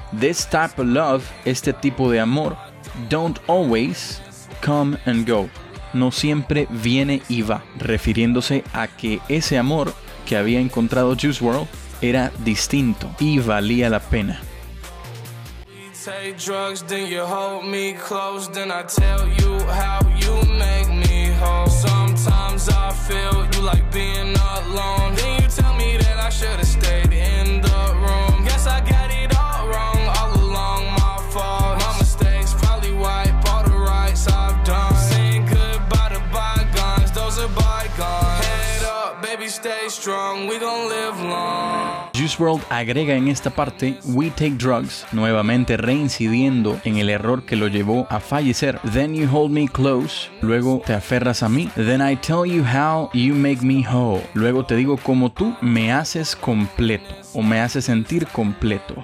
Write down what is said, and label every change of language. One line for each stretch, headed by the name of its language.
English: This type of love,
Spanish: este tipo de amor,
English: don't always come and go.
Spanish: No siempre viene y va. Refiriéndose a que ese amor que había encontrado Juice WRLD era distinto y valía la pena.
English: Take drugs, then you hold me close, then I tell you how you make me whole. Sometimes I feel you like being alone. Then you tell me that I should have stayed in the room. Guess I got it all wrong, all along my fault. My mistakes probably wipe all the rights I've done. Saying goodbye to bygones, those are bygones. Head up, baby, stay strong, we gon' live long.
Spanish: Juice WRLD agrega en esta parte,
English: we take drugs,
Spanish: nuevamente reincidiendo en el error que lo llevó a fallecer.
English: Then you hold me close,
Spanish: luego te aferras a mí.
English: Then I tell you how you make me whole.
Spanish: Luego te digo cómo tú me haces completo o me haces sentir completo.